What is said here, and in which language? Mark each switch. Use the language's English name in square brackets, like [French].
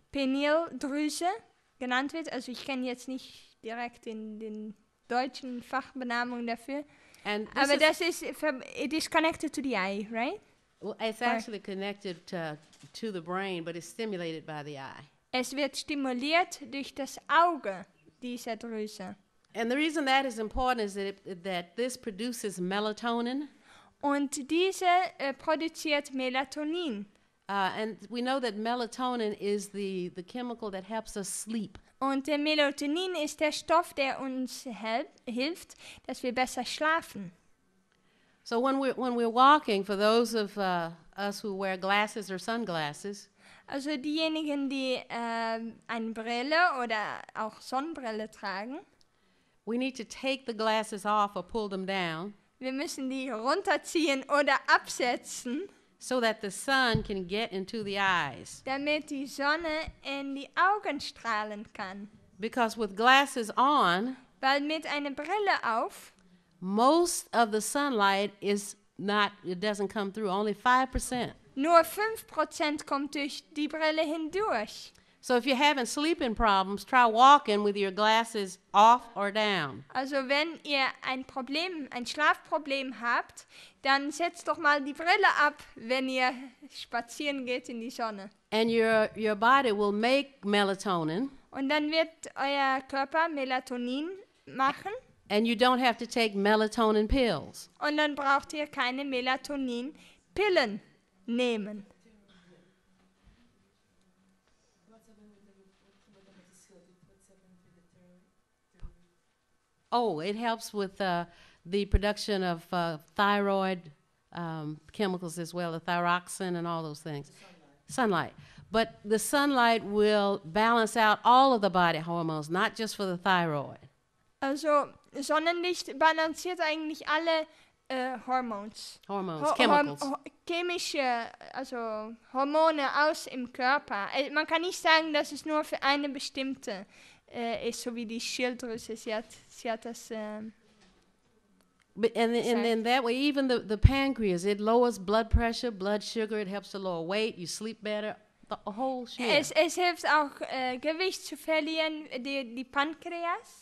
[German] Pineal Drüse genannt wird, also ich kenne jetzt nicht direkt in den deutschen Fachbenamungen dafür. Aber das ist, [English] it is connected to the eye, right? Well, it's actually connected to the brain, but it's stimulated by the eye. [German] Es wird stimuliert durch das Auge dieser Drüse. [English] And the reason that is important is that this produces melatonin. [German] Und diese produziert Melatonin. [English] And we know that melatonin is the chemical that helps us sleep. [German] Und der Melatonin ist der Stoff, der uns hilft, dass wir besser schlafen. [English] So when we're walking, for those of us who wear glasses or sunglasses. [German] Also diejenigen, die eine Brille oder auch Sonnenbrille tragen. [English] We need to take the glasses off or pull them down. [German] Wir müssen die runterziehen oder absetzen. [English] So that the sun can get into the eyes. [German] Damit die Sonne in die Augen strahlen kann. [English] Because with glasses on. [German] Weil mit einer Brille auf. [English] Most of the sunlight is not, it doesn't come through, only 5%. [German] Nur 5% kommt durch die Brille hindurch. [English] So if you're having sleeping problems, try walking with your glasses off or down. [German] Also wenn ihr ein Schlafproblem habt, dann setzt doch mal die Brille ab, wenn ihr spazieren geht in die Sonne. [English] And your body will make melatonin. [German] Und dann wird euer Körper Melatonin machen. [English] And you don't have to take melatonin pills. [German] Und dann braucht ihr keine Melatonin-Pillen nehmen. [English] Oh, it helps with the production of thyroid chemicals as well, the thyroxine and all those things. Sunlight. But the sunlight will balance out all of the body hormones, not just for the thyroid. [German] Also, Sonnenlicht balanciert eigentlich alle Hormones. [English] Hormones, chemicals. [German] Chemische, also Hormone aus im Körper. Man kann nicht sagen, dass es nur für eine bestimmte ist, so wie die Schilddrüse. Sie hat das. [English] And then that way, even the pancreas, it lowers blood pressure, blood sugar, it helps to lower weight, you sleep better, the whole shit. [German] Es hilft auch, Gewicht zu verlieren, die Pankreas.